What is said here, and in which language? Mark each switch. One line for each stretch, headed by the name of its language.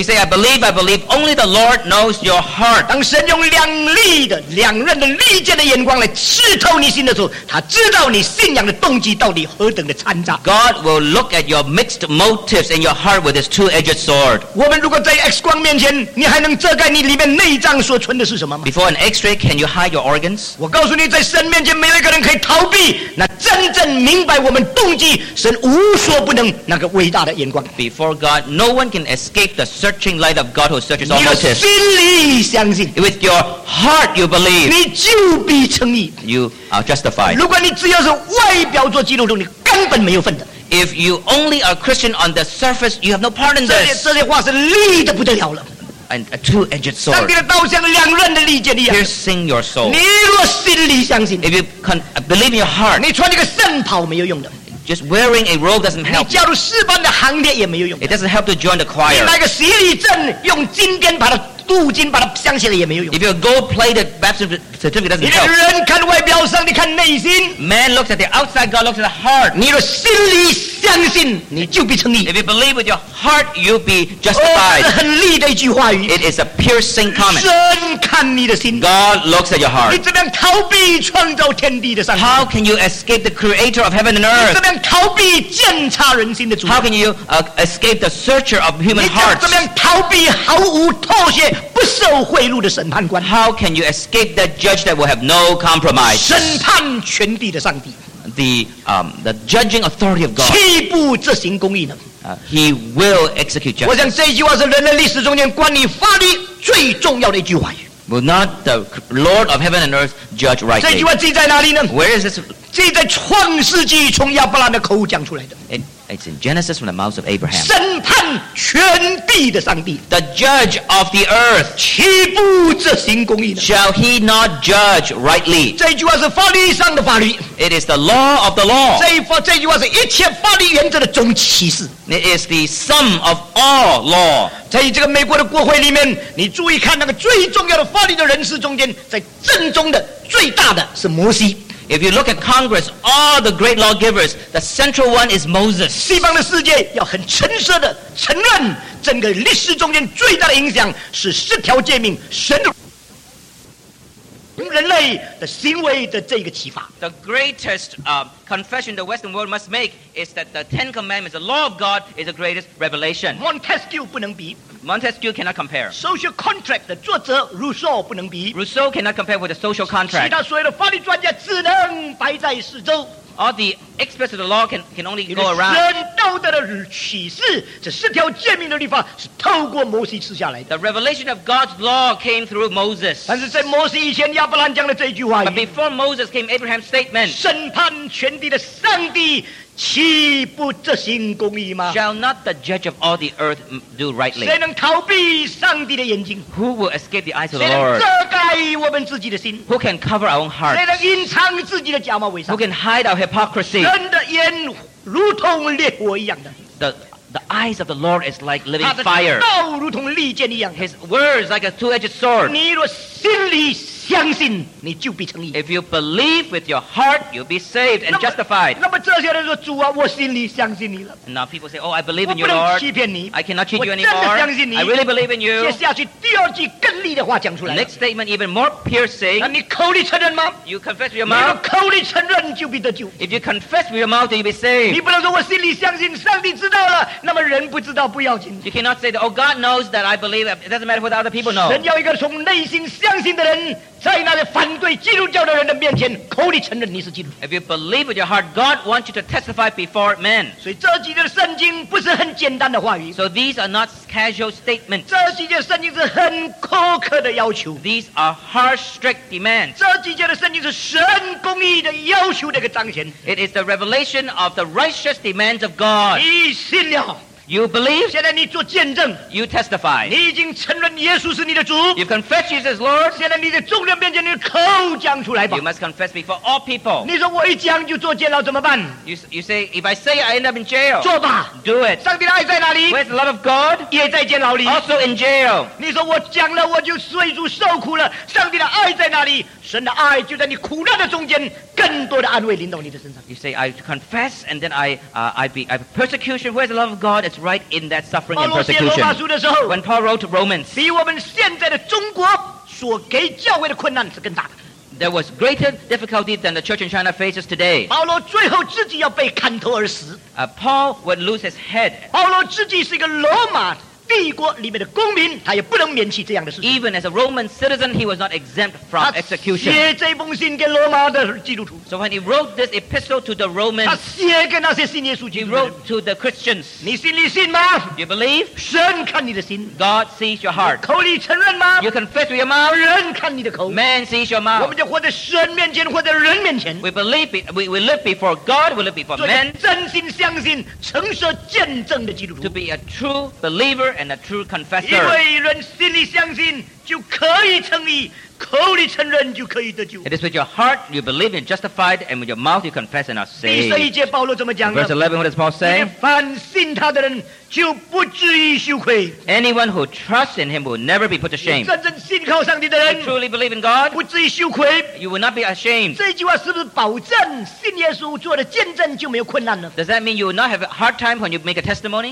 English: You say, I believe, only the Lord knows your heart.
Chinese: 当神用两刃的利剑的眼光来刺透你心的时候，他知道你信仰的动机到底何等的掺杂。
English: God will look at your mixed motives in your heart with his two-edged sword.
Chinese: 我们如果在 X 光面前，你还能遮盖你里面内脏所存的是什么吗？
English: Before an X-ray, can you hide your organs?
Chinese: 我告诉你，在神面前，没有一个人可以逃避那真正明白我们动机、神无所不能那个伟大的眼光。
English: Before God, no one can escape the searching light of God who searches all motives.
Chinese: 你的心里相信。
English: With your heart you believe,
Chinese: 你就必称义。
English: You are justified.
Chinese: 如果你只要是外表做基督徒，你根本没有份的。
English: If you only are Christian on the surface, you have no part in this.
Chinese: 这些话是利的不得了了。
English: And a two-edged sword.
Chinese: 上帝的刀像两刃的利剑一样。
English: Piercing your soul.
Chinese: 你若心里相信。
English: If you can believe in your heart.
Chinese: 你穿这个圣袍没有用的。
English: Just wearing a robe doesn't help.
Chinese: 你加入诗班的行列也没有用的。
English: It doesn't help to join the choir.
Chinese: 你买个洗礼证，用金边把它。镀金把它镶起来也没有用。
English: If you gold-plated baptism certificate doesn't help.
Chinese: 你的人看外表，上帝看内心。
English: Man looks at the outside, God looks at the heart.
Chinese: 你若心里相信，你就必称义。
English: If you believe with your heart, you'll be justified.
Chinese: 哦，这是很厉的一句话语。
English: It is a piercing comment.
Chinese: 神看你的心。
English: God looks at your heart.
Chinese: 你怎么样逃避创造天地的上帝？
English: How can you escape the creator of heaven and earth?
Chinese: 你怎么样逃避鉴察人心的主？
English: How can you escape the searcher of human hearts?
Chinese: 你怎么样逃避毫无妥协？不受贿赂的审判官。
English: How can you escape that judge that will have no compromise?
Chinese: 审判全地的上帝。
English: The judging authority of God.
Chinese: 岂不执行公义呢？
English: He will execute justice.
Chinese: 我想这句话是人类历史中间关于法律最重要的一句话语。
English: Will not the Lord of heaven and earth judge rightly?
Chinese: 这句话记在哪里呢？
English: Where is this?
Chinese: 记在创世纪从亚伯兰的口讲出来的。
English: It's in Genesis from the mouth of Abraham.
Chinese: 审判全地的上帝。
English: The judge of the earth.
Chinese: 岂不执行公义呢？
English: Shall he not judge rightly?
Chinese: 这句话是法律上的法律。
English: It is the law of the law.
Chinese: 这句话是一切法律原则的总启示。
English: It is the sum of all law.
Chinese: 在这个美国的国会里面，你注意看那个最重要的法律的人士中间，在正中的最大的是摩西。
English: If you look at Congress, all the great lawgivers, the central one is Moses.
Chinese: 西方的世界要很诚实的承认，整个历史中间最大的影响是十条诫命，神的人类的行为的这个启发。
English: The greatest confession the Western world must make is that the Ten Commandments, the law of God, is the greatest revelation.
Chinese: Montesquieu 不能比。
English: Montesquieu cannot compare.
Chinese: Social Contract 的作者 Rousseau 不能比。
English: Rousseau cannot compare with the Social Contract.
Chinese: 其他所有的法律专家只能摆在四周。
English: All the experts of the law can only go around.
Chinese: 神道德的启示，这十条诫命的律法是透过摩西赐下来的。
English: The revelation of God's law came through Moses.
Chinese: 但是在摩西以前，亚伯兰讲的这句话语。
English: But before Moses came Abraham's statement.
Chinese: 审判全地的上帝。岂不执行公义吗?
English: Shall not the judge of all the earth do rightly?
Chinese: 谁能逃避上帝的眼睛?
English: Who will escape the eyes of the Lord?
Chinese: 谁能遮盖我们自己的心?
English: Who can cover our own hearts?
Chinese: 谁能隐藏自己的假冒伪善?
English: Who can hide our hypocrisy?
Chinese: 人的眼如同烈火一样的。
English: The eyes of the Lord is like living fire.
Chinese: 他的道如同利剑一样。
English: His words like a two-edged sword.
Chinese: 你若心里相信，你就必称义。
English: If you believe with your heart, you'll be saved and justified.
Chinese: 那么这些人说，主啊，我心里相信你了。
English: Now people say, oh, I believe in you, Lord.
Chinese: 我不能欺骗你。
English: I cannot cheat you anymore. I really believe in you.
Chinese: 接下去第二句更厉的话讲出来。
English: Next statement, even more piercing.
Chinese: 那你口里承认吗?
English: You confess with your mouth.
Chinese: 你若口里承认，就必得救。
English: If you confess with your mouth, then you'll be saved.
Chinese: 你不能说我心里相信，上帝知道了。那么人不知道不要紧。
English: You cannot say that, oh, God knows that I believe it. It doesn't matter what other people know.
Chinese: 神要一个从内心相信的人。在那些反对基督教的人的面前，口里承认你是基督。
English: If you believe with your heart, God wants you to testify before men.
Chinese: 所以这几节圣经不是很简单的话语。
English: So these are not casual statements.
Chinese: 这几节圣经是很苛刻的要求。
English: These are harsh, strict demands.
Chinese: 这几节的圣经是神公义的要求的一个彰显。
English: It is the revelation of the righteous demands of God.
Chinese: 你信了。
English: You believe?
Chinese: 现在你做见证,
English: you testify.
Chinese: 你已经承认耶稣是你的主,
English: you confess Jesus Lord.
Chinese: 现在你的众人面前你的口讲出来吧。
English: You must confess before all people.
Chinese: 你说我一讲就坐监牢,
English: you say, if I say I end up in jail,
Chinese: 坐吧,
English: do it.
Chinese: 上帝的爱在哪里?
English: Where's the love of God?
Chinese: 也在监牢里,
English: also in jail.
Chinese: 你说我讲了我就随主受苦了, 上帝的爱在哪里?神的爱就在你苦难的中间更多地安慰领导你的身上。
English: You say, I confess and then I have persecution. Where's the love of God? It's right in that suffering and persecution. When Paul wrote Romans,
Chinese: 比我们现在的中国所给教会的困难是更大的。
English: There was greater difficulty than the church in China faces today. Paul would lose his head.
Chinese: 帝国里面的公民，他也不能免去这样的事情。
English: Even as a Roman citizen, he was not exempt from execution.
Chinese: 他写这封信给罗马的基督徒。
English: So when he wrote this epistle to the Romans,
Chinese: 他写给那些信耶稣基督徒。
English: He wrote to the Christians.
Chinese: 你心里信吗?
English: You believe?
Chinese: 神看你的心。
English: God sees your heart.
Chinese: 口里承认吗?
English: You confess with your mouth.
Chinese: 人看你的口。
English: Man sees your mouth.
Chinese: 我们就活在神面前，活在人面前。
English: We believe, we live before God, we live before men.
Chinese: 做真心相信、诚实见证的基督徒。
English: To be a true believer. And a true confessor. It is with your heart you believe and justified, and with your mouth you confess and are saved. Verse 11, what does Paul say?
Chinese: 凡信他的人,
English: anyone who trusts in him will never be put to shame.
Chinese: 真正信靠上帝的人,
English: you truly believe in God,
Chinese: 不至于羞愧,
English: you will not be ashamed.
Chinese: 这句话是不是保证信耶稣做的见证就没有困难了?
English: Does that mean you will not have a hard time when you make a testimony?